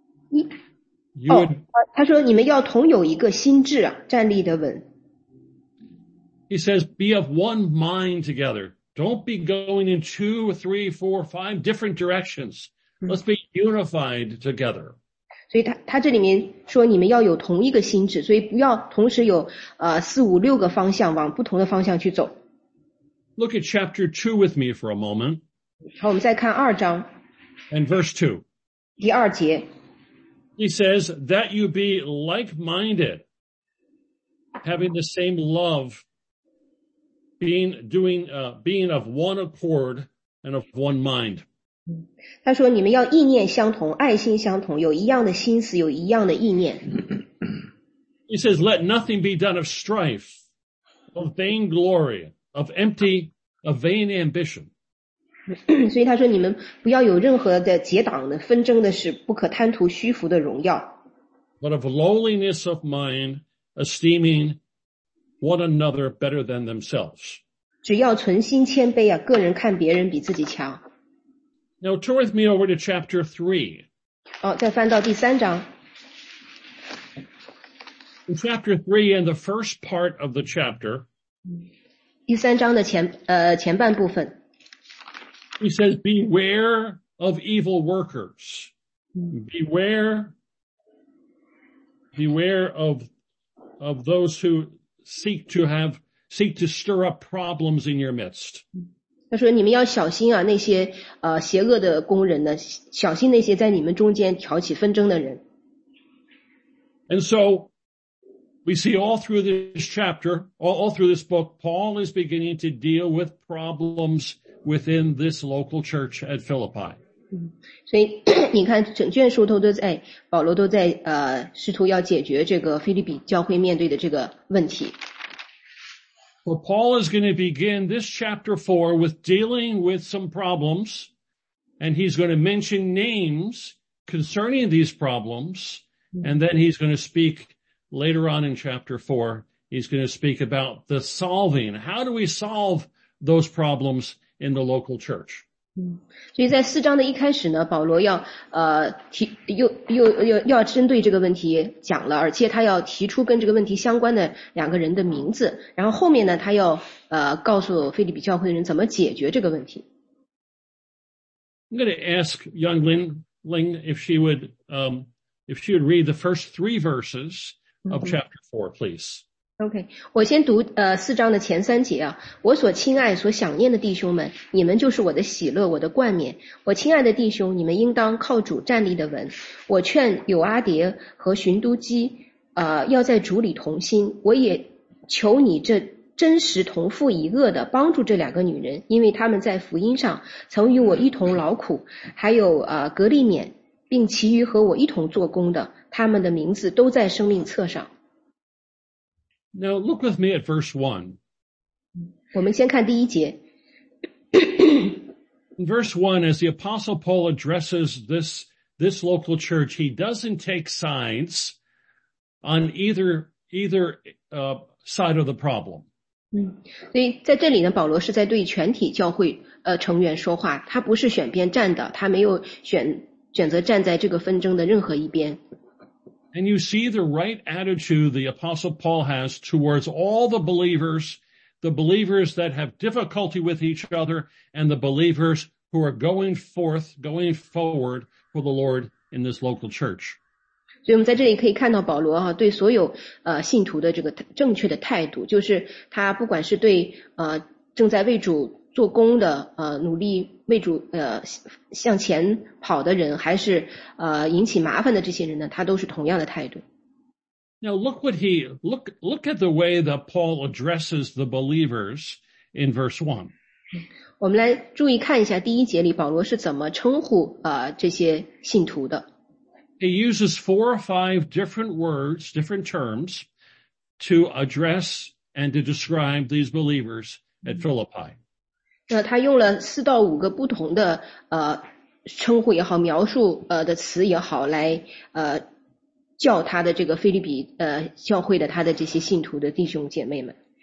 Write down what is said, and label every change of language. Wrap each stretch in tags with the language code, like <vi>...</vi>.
<en>He says, be of one mind together. Don't be going in two, three, four, five different directions. Let's be unified together.</en> <zh>所以他这里面说你们要有同一个心智，所以不要同时有四五六个方向往不同的方向去走。</zh> <en>Look at chapter 2 with me for a moment.</en> <zh>好，我们再看二章。</zh> <en>And verse 2.</en> <zh>第二节。</zh> <en>He says, that you be like-minded, having the same love, being of one accord and of one mind.</en> <zh>他说你们要意念相同，爱心相同，有一样的心思，有一样的意念。</zh> <en>He says, let nothing be done of strife, of vain glory, of empty, of vain ambition.</en> <zh>所以他说你们不要有任何的结党的纷争的事，不可贪图虚浮的荣耀。</zh> <en>But of lowliness of mind, esteeming one another better than themselves.</en> <zh>只要存心谦卑啊，个人看别人比自己强。</zh> <en>Now turn with me over to chapter 3.</en> <zh>哦，再翻到第三章。</zh> <en>In chapter 3 and the first part of the chapter.</en> <zh>第三章的前半部分。</zh> <en>He says, beware of evil workers. Beware of those who seek to stir up problems in your midst.</en> <zh>他说你们要小心啊，那些邪恶的工人呢，小心那些在你们中间挑起纷争的人。</zh> <en>And so, we see all through this chapter, all through this book, Paul is beginning to deal with problems within this local church at Philippi.</en> <zh>所以你看整卷书都在，保罗都在试图要解决这个腓立比教会面对的这个问题。</zh> <en>Well, Paul is going to begin this chapter 4 with dealing with some problems, and he's going to mention names concerning these problems, and then he's going to speak later on in chapter 4, he's going to speak about the solving. How do we solve those problems in the local church?</en> <zh>所以在四章的一开始呢，保罗要又要针对这个问题讲了，而且他要提出跟这个问题相关的两个人的名字，然后后面呢，他要告诉腓立比教会的人怎么解决这个问题。</zh> <en>I'm going to ask Young Ling if she would read the first three verses of chapter 4, please.</en> <zh>OK, 我先读四章的前三节啊，我所亲爱所想念的弟兄们，你们就是我的喜乐，我的冠冕。我亲爱的弟兄，你们应当靠主站立的稳。我劝有阿蝶和寻都基要在主里同心。我也求你这真实同父一个的帮助这两个女人，因为他们在福音上曾与我一同劳苦，还有格利勉，并其余和我一同做工的，他们的名字都在生命册上。</zh> <en>Now look with me at verse 1.</en> <zh>我们先看第一节。</zh> <en>In verse 1, as the Apostle Paul addresses this local church, he doesn't take sides on either side of the problem.</en> <zh>所以在这里呢，保罗是在对全体教会成员说话，他不是选边站的，他没有选择站在这个纷争的任何一边。</zh> <en>And you see the right attitude the Apostle Paul has towards all the believers that have difficulty with each other, and the believers who are going forward for the Lord in this local church.</en> <zh>所以我们在这里可以看到保罗啊，对所有信徒的这个正确的态度，就是他不管是对正在为主做工的努力为主向前跑的人，还是引起麻烦的这些人呢，他都是同样的态度。</zh> <en>Now look at the way that Paul addresses the believers in verse 1.</en> <zh>我们来注意看一下第一节里保罗是怎么称呼这些信徒的。</zh> <en>He uses four or five different words, different terms to address and to describe these believers at Philippi.</en> <zh>那他用了四到五个不同的称呼也好，描述的词也好，来叫他的这个菲律比教会的他的这些信徒的弟兄姐妹们。</zh>